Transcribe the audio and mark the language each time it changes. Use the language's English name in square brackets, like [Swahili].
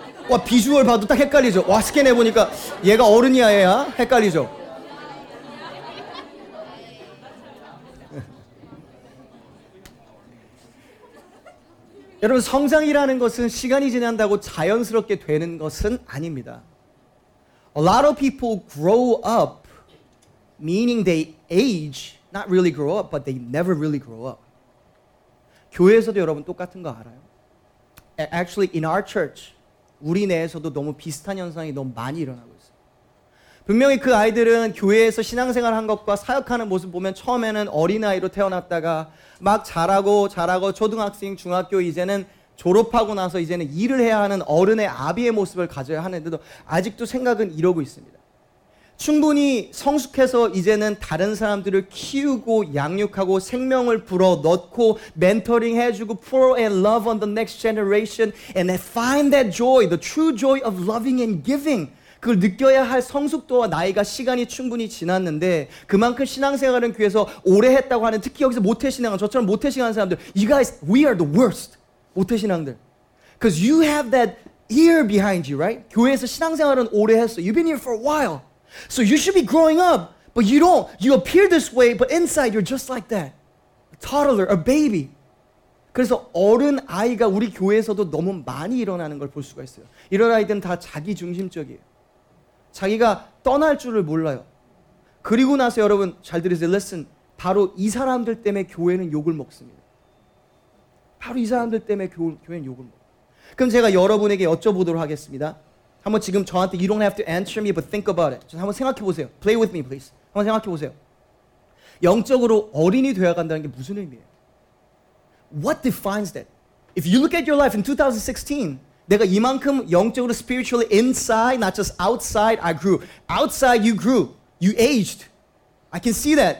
[Korean] 와, 비주얼 봐도 딱 헷갈리죠? 와, 스캔해보니까 얘가 어른이야, 애야? 헷갈리죠? 여러분, 성장이라는 것은 시간이 지난다고 자연스럽게 되는 것은 아닙니다. [English] A lot of people grow up, meaning they age, not really grow up, but they never really grow up. [Korean] 교회에서도 여러분 똑같은 거 알아요? [English] Actually, in our church, [Korean] 우리 내에서도 너무 비슷한 현상이 너무 많이 일어나고 있어요. 분명히 그 아이들은 교회에서 신앙생활 한 것과 사역하는 모습 보면 처음에는 어린아이로 태어났다가 막 자라고 초등학생, 중학교 이제는 졸업하고 나서 이제는 일을 해야 하는 어른의 아비의 모습을 가져야 하는데도 아직도 생각은 이러고 있습니다. 충분히 성숙해서 이제는 다른 사람들을 키우고 양육하고 생명을 불어넣고 멘토링 해주고 [English] pour and love on the next generation and find that joy, the true joy of loving and giving. [Korean] 그걸 느껴야 할 성숙도와 나이가 시간이 충분히 지났는데 그만큼 신앙생활은 귀해서 오래 했다고 하는 특히 여기서 모태신앙은 저처럼 모태신앙한 사람들 [English] You guys, we are the worst. [Korean] 모태신앙들. [English] Because you have that year behind you, right? [Korean] 교회에서 신앙생활은 오래 했어. [English] You've been here for a while. So you should be growing up, but you don't. You appear this way, but inside you're just like that. A toddler, a baby. [Korean] 그래서 어른 아이가 우리 교회에서도 너무 많이 일어나는 걸 볼 수가 있어요. 이런 아이들은 다 자기 중심적이에요. 자기가 떠날 줄을 몰라요. 그리고 나서 여러분 잘 들으세요. Listen, 바로 이 사람들 때문에 교회는 욕을 먹습니다. 바로 이 사람들 때문에 교회는 욕을 먹어요. 그럼 제가 여러분에게 여쭤보도록 하겠습니다. 한번 지금 저한테 [English] You don't have to answer me, but think about it. [Korean] 한번 생각해 보세요. [English] Play with me, please. [Korean] 한번 생각해 보세요. 영적으로 어린이 되어 간다는 게 무슨 의미예요? [English] What defines that? If you look at your life in 2016, [Korean] 내가 이만큼 영적으로 [English] spiritually inside, not just outside, I grew. Outside, you grew. You aged. I can see that.